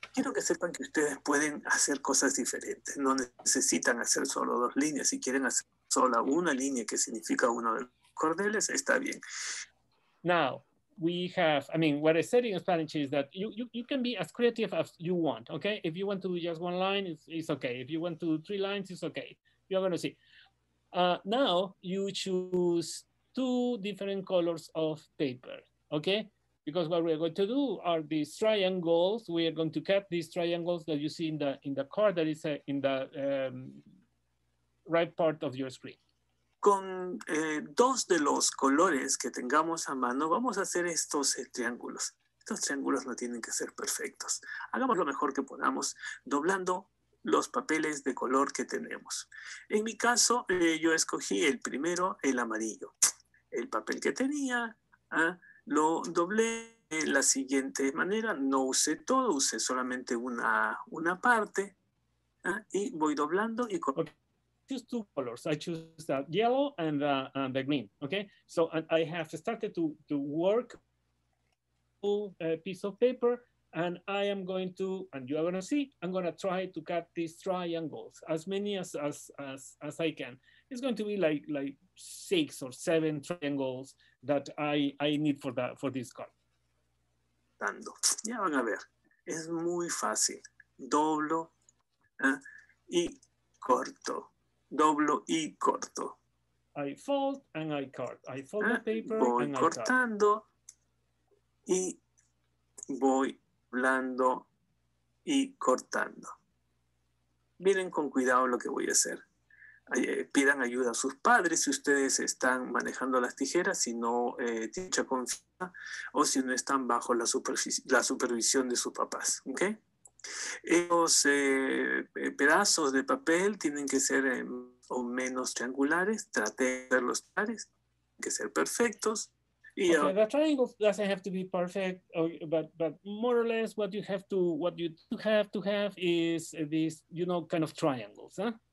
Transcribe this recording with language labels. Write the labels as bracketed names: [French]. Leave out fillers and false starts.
[Spanish] Quiero que sepan que ustedes pueden hacer cosas diferentes. No necesitan hacer solo dos líneas. Si quieren hacer solo una línea que significa uno de los cordeles, está bien. [English] Now, we have, I mean, what I said in Spanish is that you can be as creative as you want, okay? If you want to do just one line, it's okay. If you want to do three lines, it's okay. You're going to see. Now, you choose two different colors of paper, okay? Because what we're going to do are these triangles. We are going to cut these triangles that you see in the card that is in the right part of your screen. [Spanish] Con dos de los colores que tengamos a mano, vamos a hacer estos triángulos. Estos triángulos no tienen que ser perfectos. Hagamos lo mejor que podamos doblando los papeles de color que tenemos. En mi caso, yo escogí el primero, el amarillo. El papel que tenía... lo doblé de la siguiente manera, no usé todo, usé solamente una parte, y voy doblando y [English] okay. Choose two colors. I choose the yellow and the green. Okay, so I have started to work a piece of paper, and I am going to, and you are going to see, I'm going to try to cut these triangles as many as I can. It's going to be like six or seven triangles that I need for this card. [Spanish] Dando, ya van a ver, es muy fácil. Doblo y corto. Doblo y corto. [English] I fold and I cut. I fold the paper. [Spanish] Voy [English] and [Spanish] cortando [English] I cut. [Spanish] Y voy doblando y cortando. Miren con cuidado lo que voy a hacer. Pidan ayuda a sus padres si ustedes están manejando las tijeras, si no tienen mucha confianza o si no están bajo la supervisión de sus papás. ¿Okay? Esos pedazos de papel tienen que ser o menos triangulares. Traté de ver los pares, tienen que ser perfectos. Y [English] okay, the triangle doesn't have to be perfect, but more or less what you have to have is these, you know, kind of triangles, huh?